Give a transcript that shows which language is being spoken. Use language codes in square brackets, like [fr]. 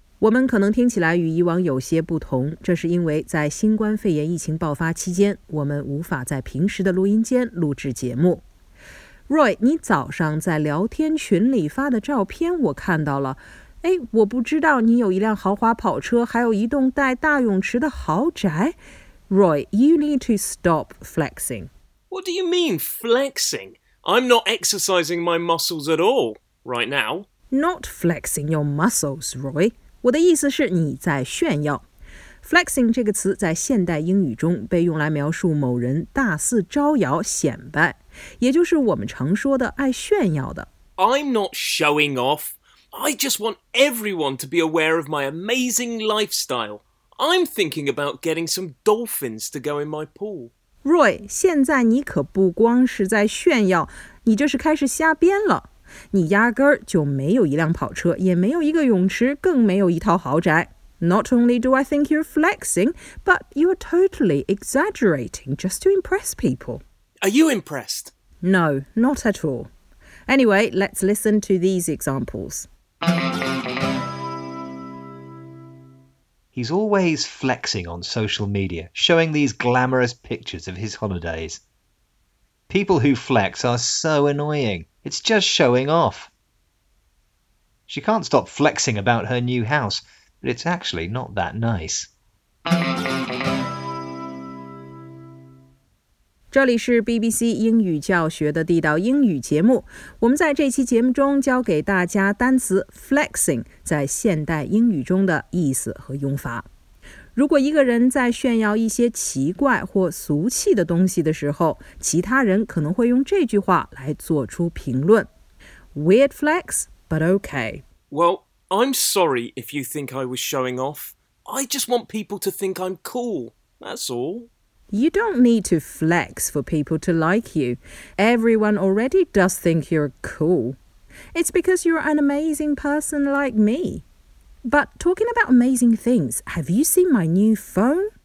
[zh] 我们可能听起来与以往有些不同，这是因为在新冠肺炎疫情爆发期间，我们无法在平时的录音间录制节目。 Roy, 你早上在聊天群里发的照片我看到了。哎，我不知道你有一辆豪华跑车，还有一栋带大泳池的豪宅。 [en] Roy, you need to stop flexing. What do you mean, flexing? I'm not exercising my muscles at all right now. Not flexing your muscles, Roy. [zh] 我的意思是你在炫耀。 Flexing 这个词在现代英语中被用来描述某人大肆招摇显摆，也就是我们常说的爱炫耀的。 [en] I'm not showing off. I just want everyone to be aware of my amazing lifestyle. I'm thinking about getting some dolphins to go in my pool. [zh] Roy, 现在你可不光是在炫耀，你这是开始瞎编了。你压根就没有一辆跑车，也没有一个泳池，更没有一套豪宅。 [en] Not only do I think you're flexing, but you're totally exaggerating just to impress people. Are you impressed? No, not at all. Anyway, let's listen to these examples. He's always flexing on social media, showing these glamorous pictures of his holidays. People who flex are so annoying. It's just showing off. She can't stop flexing about her new house. But it's actually not that nice. [zh] 这里是 BBC 英语教学的地道英语节目。我们在这期节目中教给大家单词 flexing 在现代英语中的意思和用法。如果一个人在炫耀一些奇怪或俗气的东西的时候，其他人可能会用这句话来做出评论。 [en] Weird flex, but okay. Well,I'm sorry if you think I was showing off. I just want people to think I'm cool. That's all. You don't need to flex for people to like you. Everyone already does think you're cool. It's because you're an amazing person like me. But talking about amazing things, have you seen my new phone?